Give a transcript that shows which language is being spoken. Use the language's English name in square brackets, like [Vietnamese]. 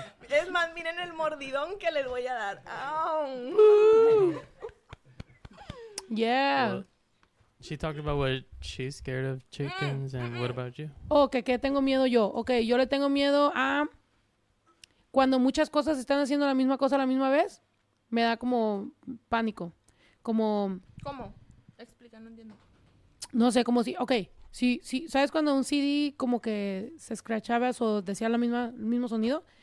[Spanish] Es más, miren el mordidón que les voy a dar. Oh. [English] Yeah. Well, she talked about what she's scared of chickens, and what about you? [Spanish] Okay, ¿qué tengo miedo yo? Okay, yo le tengo miedo a cuando muchas cosas están haciendo la misma cosa a la misma vez, me da como pánico. Como. ¿Cómo? Explica, no entiendo. No sé, como si. Okay, si, ¿sabes cuando un CD como que se escrachaba o decía el mismo sonido?